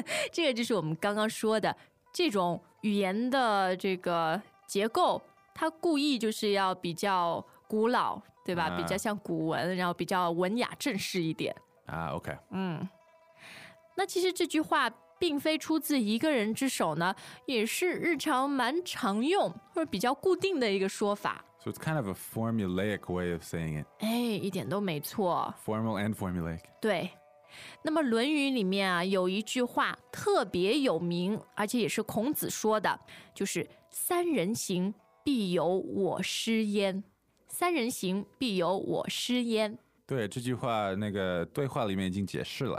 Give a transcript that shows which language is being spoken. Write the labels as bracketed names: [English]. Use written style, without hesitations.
[Chinese] 这个就是我们刚刚说的这种语言的这个结构，它故意就是要比较古老，对吧？比较像古文，然后比较文雅正式一点啊。OK，嗯，那其实这句话并非出自一个人之手呢，也是日常蛮常用或者比较固定的一个说法。 [English] So it's kind of a formulaic way of saying it. [Chinese] 哎，一点都没错。 [English] Formal and formulaic. [Chinese] 对。那么《论语》里面啊，有一句话特别有名，而且也是孔子说的，就是三人行必有我师焉，三人行必有我师焉。对，这句话那个对话里面已经解释了。